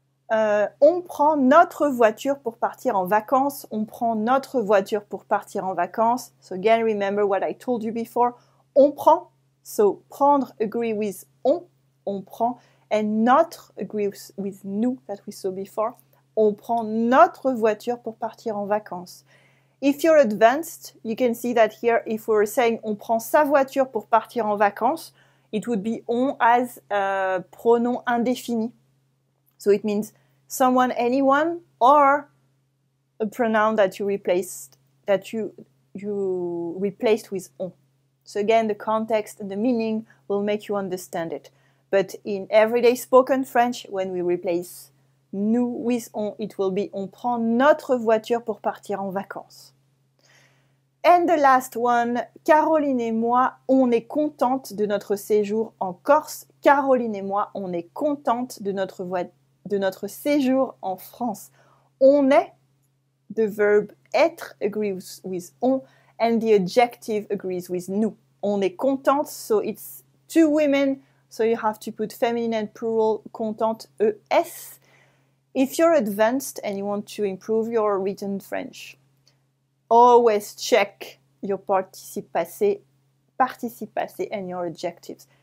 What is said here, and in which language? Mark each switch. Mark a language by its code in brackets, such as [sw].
[fr] On prend notre voiture pour partir en vacances. On prend notre voiture pour partir en vacances. [en] So again, remember what I told you before. [fr] On prend. [en] So prendre agree with on. On prend. And notre agree with nous that we saw before. [fr] On prend notre voiture pour partir en vacances. [en] If you're advanced, you can see that here, if we're saying [fr] on prend sa voiture pour partir en vacances, [en] it would be on as a pronom indéfini. So it means someone, anyone, or a pronoun that you replaced with on. So again, the context and the meaning will make you understand it. But in everyday spoken French, when we replace nous with on, it will be [fr] on prend notre voiture pour partir en vacances. [en] And the last one, [fr] Caroline et moi, on est contente de notre séjour en Corse. Caroline et moi, on est contente de notre séjour en France. On est, [en] the verb être agrees with on, and the adjective agrees with nous. [fr] On est contente, [en] so it's two women, so you have to put feminine and plural, contente, ES. If you're advanced and you want to improve your written French, always check your participe passé, and your adjectives.